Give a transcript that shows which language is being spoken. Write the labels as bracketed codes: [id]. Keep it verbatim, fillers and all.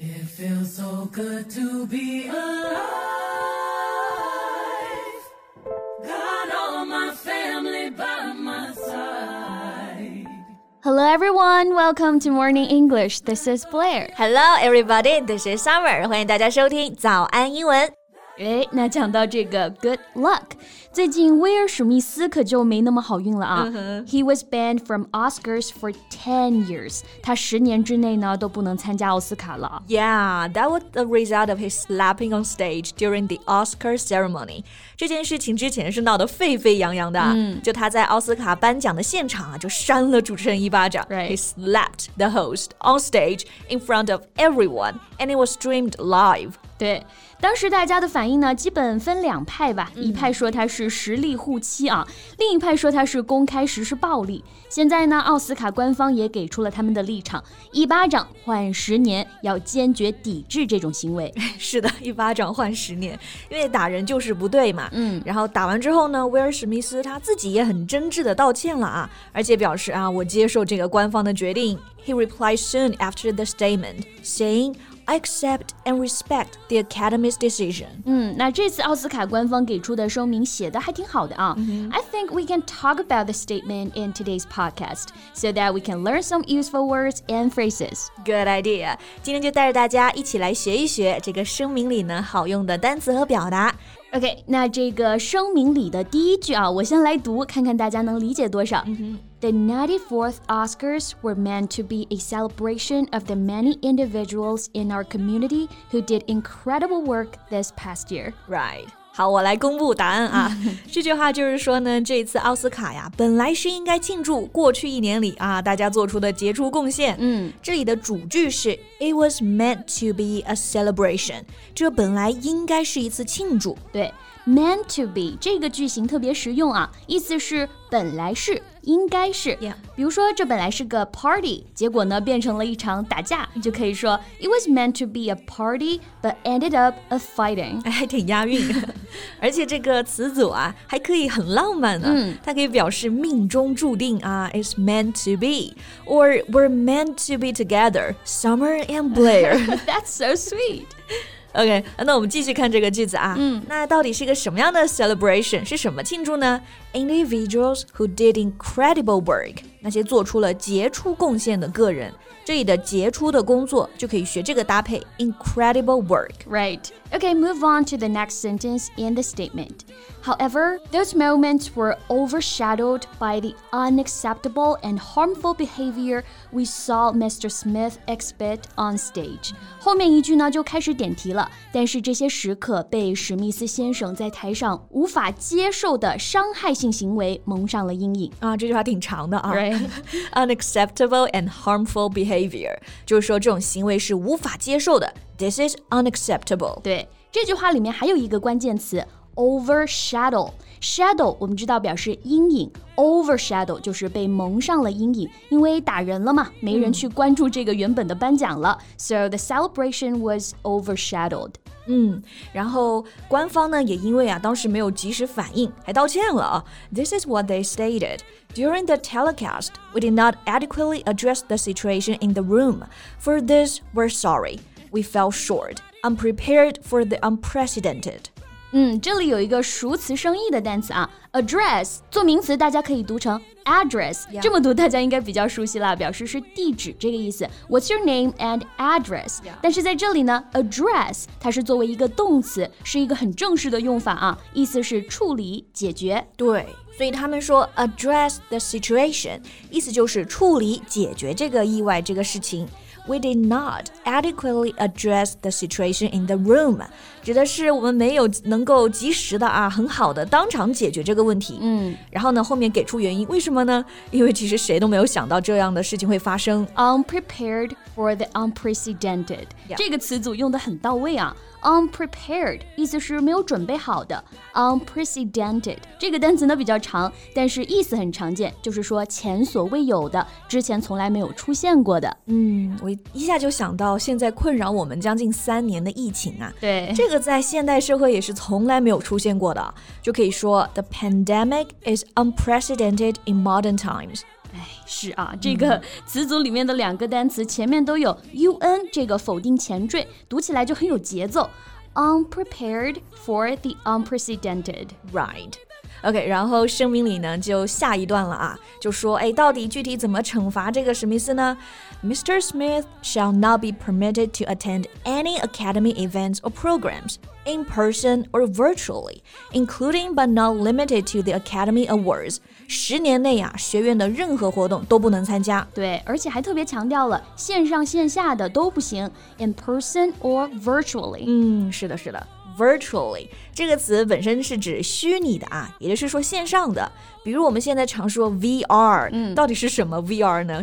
[en] feels so good to be alive. Got all my family by my side. Hello everyone, welcome to Morning English. This is Blair. Hello everybody, this is Summer. [zh] 欢迎大家收听早安英文。诶，那讲到这个 good luck， 最近威尔史密斯可就没那么好运了啊。 Uh-huh. [en] He was banned from Oscars for ten years. [zh] 他十年之内呢都不能参加奥斯卡了。 [en] Yeah, that was the result of his slapping on stage during the Oscar ceremony. [zh] 这件事情之前是闹得沸沸扬扬的、啊嗯、就他在奥斯卡颁奖的现场、啊、就扇了主持人一巴掌。 [en] Right. He slapped the host on stage in front of everyone, and it was streamed live. [zh] 对。当时大家的反应呢基本分两派吧、嗯、一派说他是实力护妻啊，另一派说他是公开实施暴力。现在呢奥斯卡官方也给出了他们的立场，一巴掌换十年，要坚决抵制这种行为。是的，一巴掌换十年，因为打人就是不对嘛。嗯，然后打完之后呢，威尔史密斯他自己也很真挚的道歉了啊，而且表示啊，我接受这个官方的决定。 [en] He replied soon after the statement, saying,I accept and respect the Academy's decision. [zh] 嗯，那这次奥斯卡官方给出的声明写的还挺好的啊。 Mm-hmm. [en] I think we can talk about the statement in today's podcast so that we can learn some useful words and phrases. Good idea. [zh] 今天就带着大家一起来学一学这个声明里呢好用的单词和表达。 OK, 那这个声明里的第一句啊，我先来读，看看大家能理解多少。 Mm-hmm. [en] The ninety-fourth Oscars were meant to be a celebration of the many individuals in our community who did incredible work this past year. Right. [zh] 好，我来公布答案啊。这句话就是说呢，这次奥斯卡呀，本来是应该庆祝过去一年里啊，大家做出的杰出贡献。嗯，这里的主句是 [en] It was meant to be a celebration. [zh] 这本来应该是一次庆祝。对。 Meant to be 这个句型特别实用啊，意思是本来是，应该是。 [en] Yeah. [zh] 比如说这本来是个 party， 结果呢变成了一场打架，就可以说 [en] It was meant to be a party, but ended up a fighting。 [zh] 还挺押韵，而且这个词组啊还可以很浪漫呢、啊嗯。它可以表示命中注定啊 [en] ，It's meant to be， or we're meant to be together, Summer and Blair. That's so sweet. [zh] OK, 那我们继续看这个句子啊。嗯，那到底是个什么样的 celebration？是什么庆祝呢？ [en] Individuals who did incredible work， [zh] 那些做出了杰出贡献的个人。这里的杰出的工作就可以学这个搭配 [en] incredible work. Right. Okay, move on to the next sentence in the statement. However, those moments were overshadowed by the unacceptable and harmful behavior we saw Mister Smith exhibit on stage. [zh] 后面一句呢就开始点题了，但是这些时刻被史密斯先生在台上无法接受的伤害性行为蒙上了阴影。啊，这句话挺长的啊。 [en] Right. Unacceptable and harmful behavior. [zh] 就是说这种行为是无法接受的 [en] This is unacceptable [zh] 对，这句话里面还有一个关键词 Overshadow Shadow 我们知道表示阴影 Overshadow 就是被蒙上了阴影，因为打人了嘛，没人去关注这个原本的颁奖了、嗯、 [en] So the celebration was overshadowed [zh] 嗯，然后官方呢也因为啊当时没有及时反应还道歉了啊。 [en] This is what they stated. During the telecast, we did not adequately address the situation in the room. For this, we're sorry. We fell short, unprepared for the unprecedented. [zh] 嗯，这里有一个熟词生义的单词啊 address 做名词大家可以读成 address、 [en] yeah. [zh] 这么读大家应该比较熟悉啦，表示是地址这个意思 [en] What's your name and address、 yeah. [zh] 但是在这里呢 address 它是作为一个动词，是一个很正式的用法啊，意思是处理解决。对，所以他们说 [en] address the situation [zh] 意思就是处理解决这个意外这个事情。 [en] We did not adequately address the situation in the room. [zh] 指的是我们没有能够及时的啊，很好的当场解决这个问题。嗯，然后呢，后面给出原因，为什么呢？因为其实谁都没有想到这样的事情会发生。 [en] Unprepared for the unprecedented. Yeah. [zh] 这个词组用得很到位啊。Unprepared 意思是没有准备好的 Unprecedented 这个单词呢比较长，但是意思很常见，就是说前所未有的，之前从来没有出现过的。嗯，我一下就想到现在困扰我们将近三年的疫情啊，对，这个在现代社会也是从来没有出现过的，就可以说 [en] The pandemic is unprecedented in modern times [zh] 是啊，这个词组里面的两个单词前面都有 un 这个否定前缀，读起来就很有节奏。 [en] Unprepared for the unprecedented. Right. [zh] OK, 然后声明里呢就下一段了啊，就说哎，到底具体怎么惩罚这个史密斯呢？ [en] Mister Smith shall not be permitted to attend any academy events or programs in person or virtually, including but not limited to the Academy Awards. [zh] 十年内啊，学院的任何活动都不能参加。对，而且还特别强调了线上线下的都不行 ， [en] in person or virtually。 [zh] 嗯，是的，是的。 Virtually 这个词本身是指虚拟的啊，也就是说线上的，比如我们现在常说 V R、嗯、到底是什么 V R 呢？